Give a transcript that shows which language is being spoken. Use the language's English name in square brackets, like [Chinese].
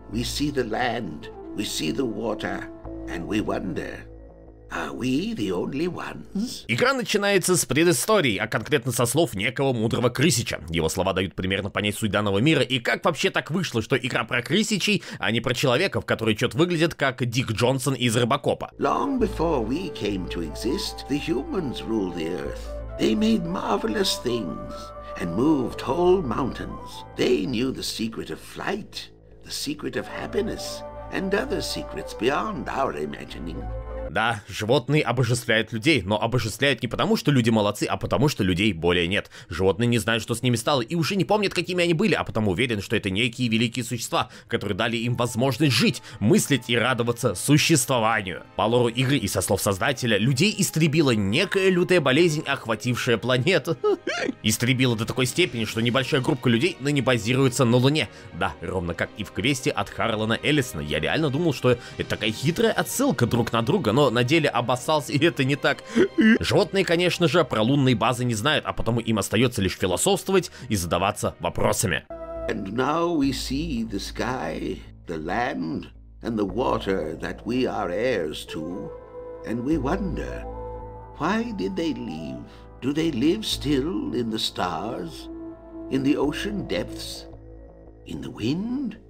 [English] We see the land, we see the water, and we wonder. Are we the only ones? [Russian] Игра начинается с предыстории, а конкретно со слов некого мудрого крысича. Его слова дают примерно понять суть данного мира, и как вообще так вышло, что игра про крысичей, а не про человеков, которые чё-то выглядят как Дик Джонсон из Робокопа. [English] Long before we came to exist, the humans ruled the earth. They made marvelous things and moved whole mountains. They knew the secret of flight. The secret of happiness and other secrets beyond our imagining. [Russian] Да, животные обожествляют людей, но обожествляют не потому, что люди молодцы, а потому, что людей более нет. Животные не знают, что с ними стало, и уже не помнят, какими они были, а потому уверен, что это некие великие существа, которые дали им возможность жить, мыслить и радоваться существованию. По лору игры и со слов создателя, людей истребила некая лютая болезнь, охватившая планету. Истребила до такой степени, что небольшая группа людей ныне базируется на Луне. Да, ровно как и в квесте от Харлана Эллисона, я реально думал, что это такая хитрая отсылка друг на друга. Но на деле обоссался, и это не так. Животные, конечно же, про лунные базы не знают, а потому им остается лишь философствовать и задаваться вопросами. [English] And now we see the sky, the land, and the water that we are heirs to. And we wonder, why did they leave? Do they live still in the stars? In the ocean depths? In the wind?